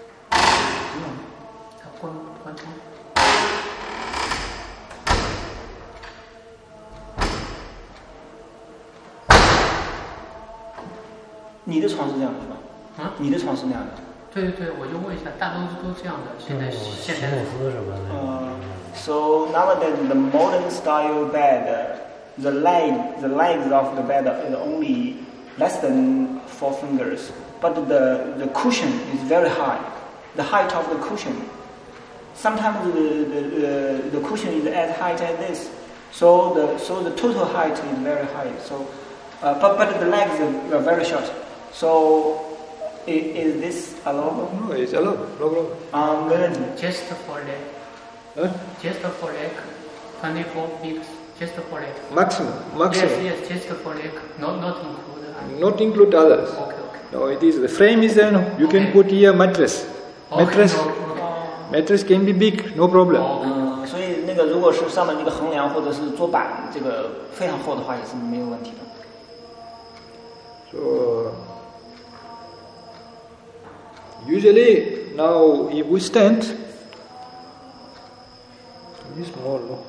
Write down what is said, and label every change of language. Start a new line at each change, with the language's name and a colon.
Chinese: 不用，它关通。你的床是这样的吗？啊？你的床是那样的。对，我就问一下，大多数都这样的。现在是什么呢？
English: So nowadays the modern style bed, the legs of the bed is only less than 4 fingers, but the cushion is very high. The height of the cushion, sometimes the cushion is as high as this. So the total height is very high. So, but the legs are very short. So. Is this allowable? No, it's allowable. No problem. Just for leg. Huh? Just for leg. 24 weeks. Just for leg. Maximum. Yes, just for leg. Not include others. Not include others. Okay. No, it is. The frame is there. You can put here mattress. Mattress. Mattress can be big. No problem.
Chinese: 所以那个如果是上面那个横梁或者是桌板这个非常厚的话也是没有问题的。
English: So... Usually, now, if we stand, this is small, no?